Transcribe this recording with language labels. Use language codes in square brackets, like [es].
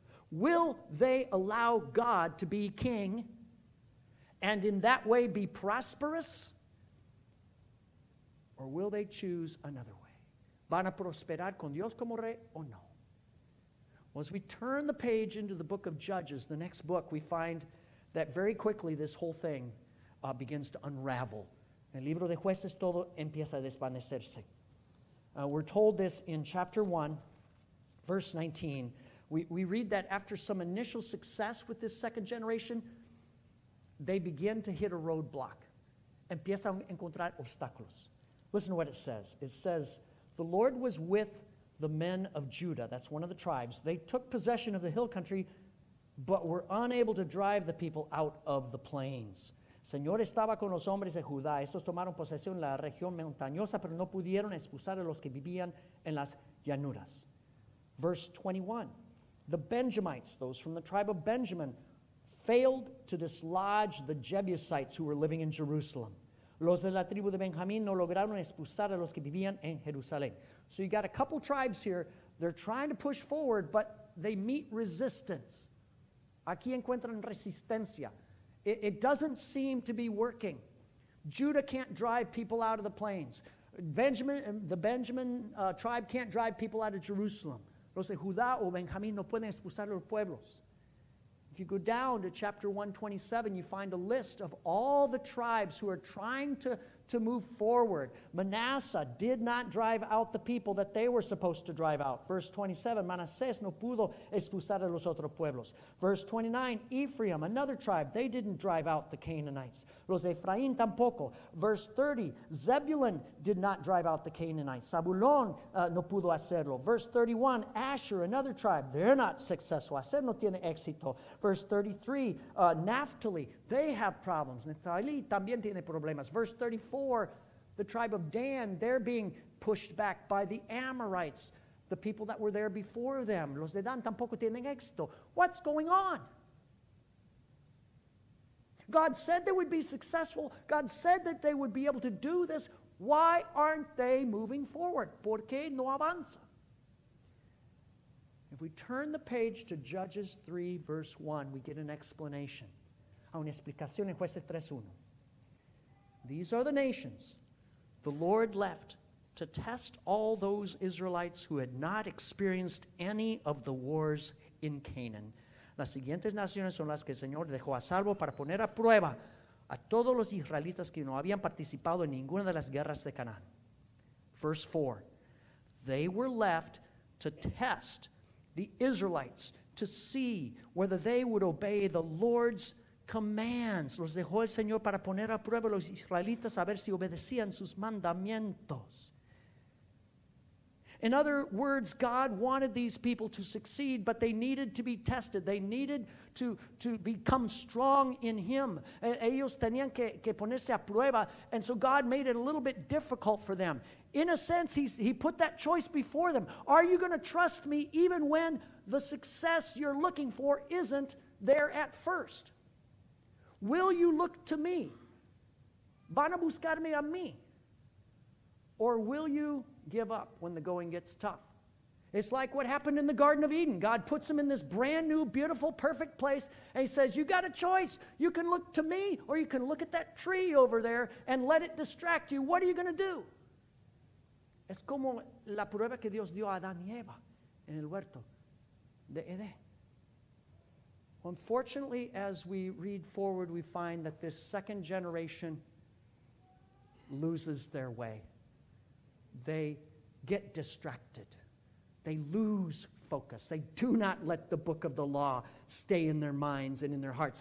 [en] Will they allow God to be king and in that way be prosperous? Or will they choose another way? [es] ¿Van a prosperar con Dios como rey o no? [en] Well, as we turn the page into the book of Judges, the next book, we find that very quickly this whole thing begins to unravel. [es] El libro de jueces todo empieza a desvanecerse. [en] We're told this in chapter 1, verse 19. We read that after some initial success with this second generation, they begin to hit a roadblock. [es] Empieza a encontrar obstáculos. [en] Listen to what it says. It says, the Lord was with the men of Judah. That's one of the tribes. They took possession of the hill country, but were unable to drive the people out of the plains. [es] Señor estaba con los hombres de Judá. Estos tomaron posesión en la región montañosa, pero no pudieron expulsar a los que vivían en las llanuras. [en] Verse 21. The Benjamites, those from the tribe of Benjamin, failed to dislodge the Jebusites who were living in Jerusalem. [es] Los de la tribu de Benjamín no lograron expulsar a los que vivían en Jerusalén. [en] So you got a couple tribes here. They're trying to push forward, but they meet resistance. [es] Aquí encuentran resistencia. [en] It doesn't seem to be working. Judah can't drive people out of the plains. The Benjamin tribe can't drive people out of Jerusalem. [es] Los de Judá o Benjamín no pueden expulsar a los pueblos. [en] If you go down to chapter 127, you find a list of all the tribes who are trying to move forward. Manasseh did not drive out the people that they were supposed to drive out. Verse 27, [es] Manasseh no pudo expulsar a los otros pueblos. [en] Verse 29, Ephraim, another tribe, they didn't drive out the Canaanites. [es] Los Ephraim tampoco. [en] Verse 30, Zebulun did not drive out the Canaanites. [es] Zabulon no pudo hacerlo. [en] Verse 31, Asher, another tribe, they're not successful. [es] Asher no tiene éxito. [en] Verse 33, Naphtali, they have problems. [es] Naphtali también tiene problemas. [en] Verse 34, the tribe of Dan, they're being pushed back by the Amorites, the people that were there before them. [es] Los de Dan tampoco tienen éxito. [en] What's going on? God said they would be successful. God said that they would be able to do this. Why aren't they moving forward? [es] ¿Por qué no avanza? [en] If we turn the page to Judges 3, verse 1, we get an explanation. [es] A una explicación en Jueces 3:1. [en] These are the nations the Lord left to test all those Israelites who had not experienced any of the wars in Canaan. [es] Las siguientes naciones son las que el Señor dejó a salvo para poner a prueba a todos los israelitas que no habían participado en ninguna de las guerras de Canaán. [en] Verse 4. They were left to test the Israelites to see whether they would obey the Lord's commands. [es] Los dejó el Señor para poner a prueba a los israelitas a ver si obedecían sus mandamientos. [en] In other words, God wanted these people to succeed, but they needed to be tested. They needed to become strong in Him. [es] Ellos tenían que ponerse a prueba, [en] and so God made it a little bit difficult for them. In a sense, he put that choice before them. Are you going to trust me even when the success you're looking for isn't there at first? Will you look to me? [es] Van a buscarme a mí? [en] Or will you give up when the going gets tough? It's like what happened in the Garden of Eden. God puts them in this brand new, beautiful, perfect place, and he says, you got a choice. You can look to me, or you can look at that tree over there and let it distract you. What are you going to do? [es] Es como la prueba que Dios dio a Adán y Eva en el huerto de Edén. [en] Unfortunately, as we read forward, we find that this second generation loses their way. They get distracted. They lose focus. They do not let the book of the law stay in their minds and in their hearts.